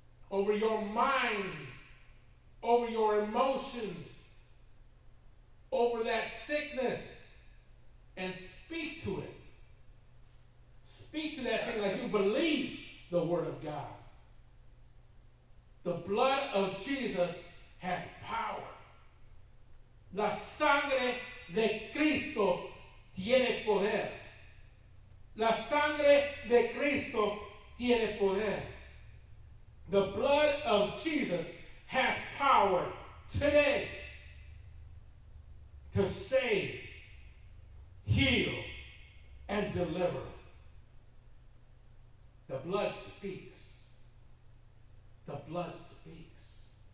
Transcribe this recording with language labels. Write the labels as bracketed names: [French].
[English] Over your minds, over your emotions, over that sickness, and speak to it. Speak to that thing like you believe the Word of God. The blood of Jesus has power. [Spanish] La sangre de Cristo tiene poder. La sangre de Cristo tiene poder. [English] The blood of Jesus has power today to save, heal, and deliver. The blood speaks. The blood speaks.